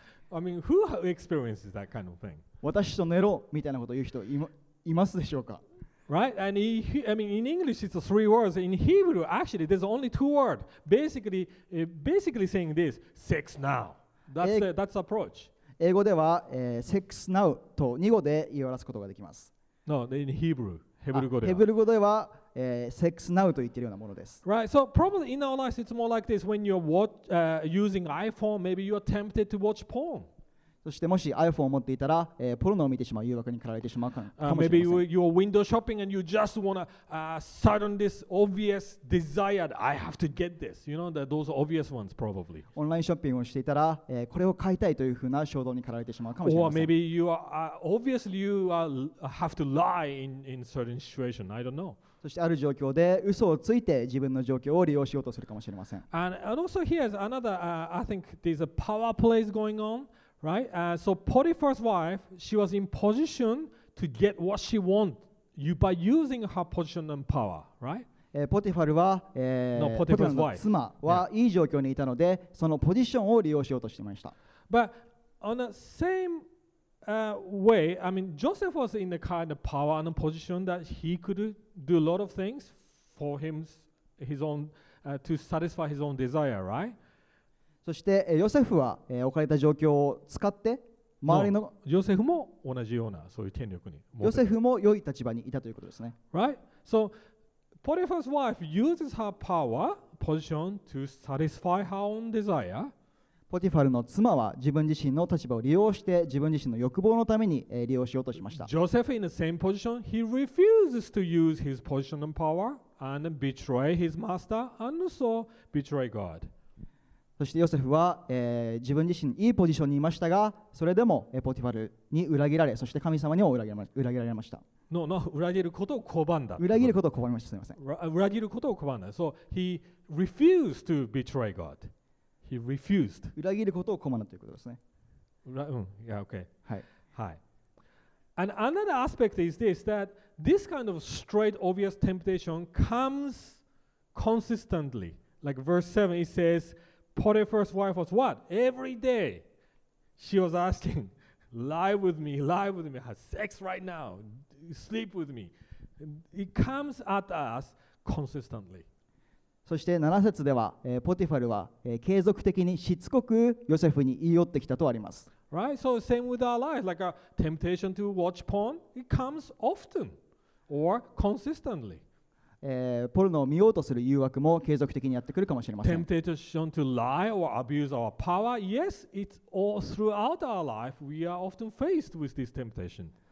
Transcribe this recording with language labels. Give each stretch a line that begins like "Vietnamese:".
English: I mean, who experiences that kind of thing?
Japanese: 私と寝ろみたいなことを言う人いますでしょうか。
English: Right? And I mean, in English it's three words. In Hebrew, actually, there's only two words. Basically saying this, sex now. That's the approach.
Japanese: 英語では、
English: sex now
Japanese: と2語で言い表すことができます。
English: No, in Hebrew.
Japanese: Hebrew 語では。 Hebrew 語では
English: sex now
Japanese: と言ってるようなものです。
English: Right, so probably in our lives it's more like this when you're using iPhone, maybe you're tempted to watch porn.
Japanese: そしてもし iPhone を持っていたら、ポルノを見てしまう、誘惑に駆られてしまうかもしれません。
English: Maybe you're window shopping and you just wanna sudden this obvious desire that I have to get this. You know, those obvious ones probably.
Japanese: オンラインショッピングをしていたら、これを買いたいというふうな衝動に駆られてしまうかもしれません。
English: Or maybe you are, obviously you have to lie in certain situation. I don't know.
Japanese: そしてある状況で嘘をついて自分の状況を利用しようとするかもしれません。
English: And also here's another, I think there's a power play going on, right? So Potiphar's wife, she was in position to get what she wants by using her position and power, right?
Japanese: ポティファルは、ポティファルの妻は、yeah. いい状況にいたので、そのポジションを利用しようとしていました。
English: But on the same way, I mean, Joseph was in the kind of power and position that he could do a lot of things for him, his own, to satisfy his own desire, right?
Japanese: そして、ヨセフは、置かれた状況を使って周りの、ヨセフも同じようなそういう権力に、ヨセフも良い立場にいたということですね。
English: Right? So, Potiphar's wife uses her power, position to satisfy her own desire.
Japanese: ポティファルの妻は自分自身の立場を利用して自分自身の欲望のために利用しようとしました。
English: Joseph in the same position, he refuses to use his position and power and betray his master and so betray God.
Japanese: そしてヨセフは、自分自身いいポジションにいましたが、それでもポティファルに裏切られ、そして神様にも裏切られました。 No, 裏切ることを拒んだ。裏切ることを拒みました。すみません。裏切ることを拒んだ。
English: So he refused to betray God. He refused.
Japanese: 裏切ることを拒んだということですね。
English: Yeah, okay.
Japanese: はい。はい。
English: And another aspect is this, that this kind of straight obvious temptation comes consistently. Like verse 7, it says, Potiphar's wife was what? Every day she was asking, lie with me, have sex right now, sleep with me. It comes at us consistently.
Japanese: そして7節では、ポティファルは、継続的にしつこくヨセフに言い寄ってきたとあります。
English: Right, so same with our life, like a temptation to watch porn, it comes often or consistently.
Japanese: ポルノを見ようとする誘惑も継続的にやってくるかもしれません。
English: Temptation to lie or abuse our power, yes, it's all throughout our life, we are often faced with this temptation.